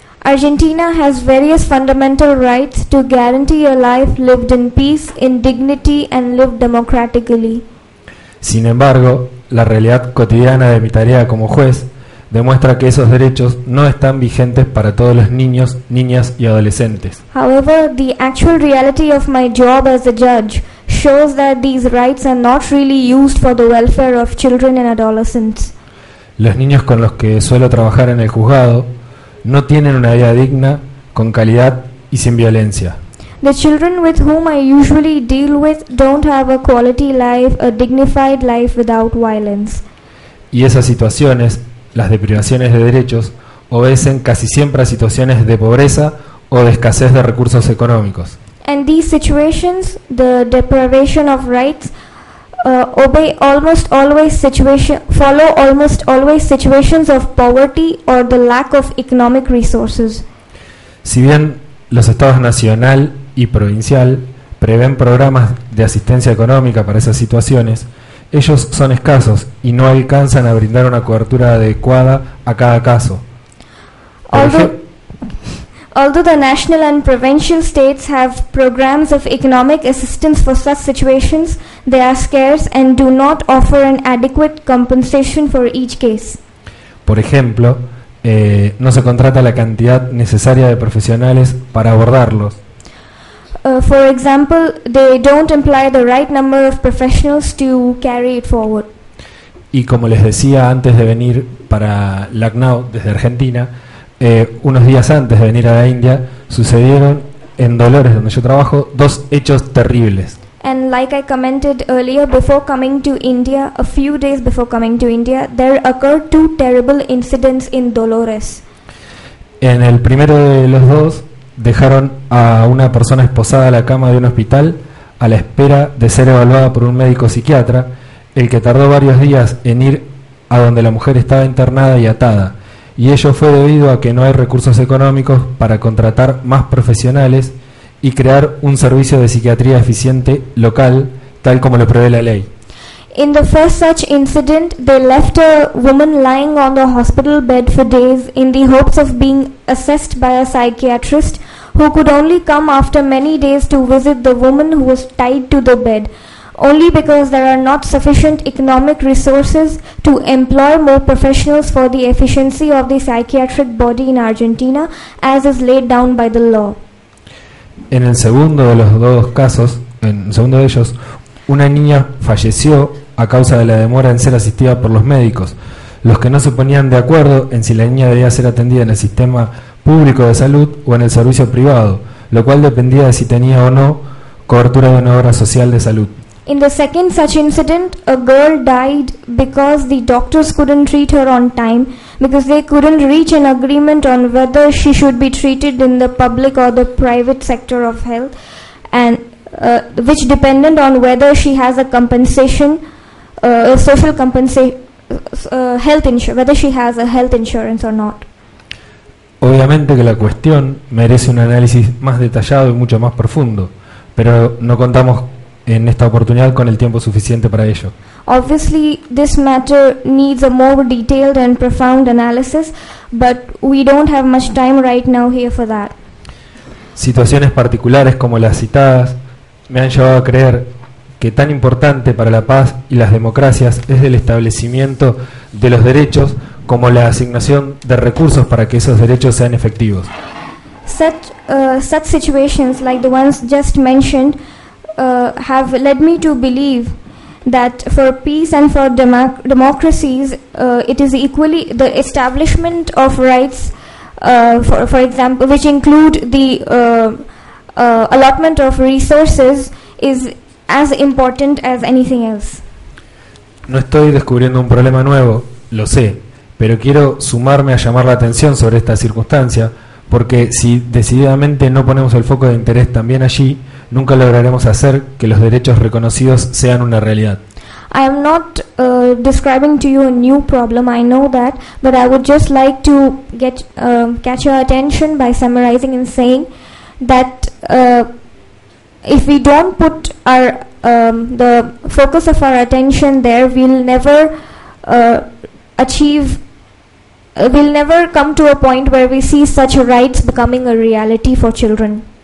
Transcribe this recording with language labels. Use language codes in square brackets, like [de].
[en] Argentina has various fundamental rights to guarantee a life lived in peace, in dignity and lived democratically. [es] Sin embargo, la realidad cotidiana de mi tarea como juez demuestra que esos derechos no están vigentes para todos los niños, niñas y adolescentes. [en] However, the actual reality of my job as a judge shows that these rights are not really used for the welfare of children and adolescents. [es] Los niños con los que suelo trabajar en el juzgado no tienen una vida digna, con calidad y sin violencia. [en] The children with whom I usually deal with don't have a quality life, a dignified life without violence. [es] Y esas situaciones, las deprivaciones de derechos, obedecen casi siempre a situaciones de pobreza o de escasez de recursos económicos. [en] And these situations, the deprivation of rights, follow almost always situations of poverty or the lack of economic resources. [es] Si bien los estados nacional y provincial prevén programas de asistencia económica para esas situaciones, ellos son escasos y no alcanzan a brindar una cobertura adecuada a cada caso. [en] Although the national and provincial states have programs of economic assistance for such situations, they are scarce and do not offer an adequate compensation for each case. [es] Por ejemplo, no se contrata la cantidad necesaria de profesionales para abordarlos. [en] For example, they don't imply the right number of professionals to carry it forward. [es] Y como les decía antes de venir para Lucknow desde Argentina, unos días antes de venir a la India, sucedieron en Dolores, donde yo trabajo, dos hechos terribles. [en] And like I commented earlier, before coming to India, a few days before coming to India, there occurred two terrible incidents in Dolores. [es] En el primero de los dos, dejaron a una persona esposada a la cama de un hospital a la espera de ser evaluada por un médico psiquiatra, el que tardó varios días en ir a donde la mujer estaba internada y atada. Y ello fue debido a que no hay recursos económicos para contratar más profesionales y crear un servicio de psiquiatría eficiente local, tal como lo prevé la ley. [en] In the first such incident, they left a woman lying on the hospital bed for days in the hopes of being assessed by a psychiatrist who could only come after many days to visit the woman who was tied to the bed. Only because there are not sufficient economic resources to employ more professionals for the efficiency of the psychiatric body in Argentina, as is laid down by the law. [es] En el segundo de los dos casos, en el segundo de ellos, una niña falleció a causa de la demora en ser asistida por los médicos, los que no se ponían de acuerdo en si la niña debía ser atendida en el sistema público de salud o en el servicio privado, lo cual dependía de si tenía o no cobertura de una obra social de salud. [en] In the second such incident, a girl died because the doctors couldn't treat her on time because they couldn't reach an agreement on whether she should be treated in the public or the private sector of health, and which depended on whether she has a compensation, health insurance or not. [es] Obviamente que la cuestión merece un análisis más detallado y mucho más profundo, pero no contamos en esta oportunidad con el tiempo suficiente para ello. [en] Obviously, this matter needs a more detailed and profound analysis, but we don't have much time right now here for that. [es] Situaciones particulares como las citadas me han llevado a creer que tan importante para la paz y las democracias es el establecimiento de los derechos como la asignación de recursos para que esos derechos sean efectivos. [en] Such situations like the ones just mentioned have led me to believe that for peace and for democracies, it is equally the establishment of rights, for example, which include the allotment of resources, is as important as anything else. [es] No estoy descubriendo un problema nuevo, lo sé, pero quiero sumarme a llamar la atención sobre esta circunstancia, porque si decididamente no ponemos el foco de interés también allí, nunca lograremos hacer que los derechos reconocidos sean una realidad. [en] I am not describing to you a new problem, I know that, but I would just like to catch your attention by summarizing and saying that if we don't put our the focus of our attention there, we'll never achieve, we'll never come to a point where we see such rights becoming a reality for children.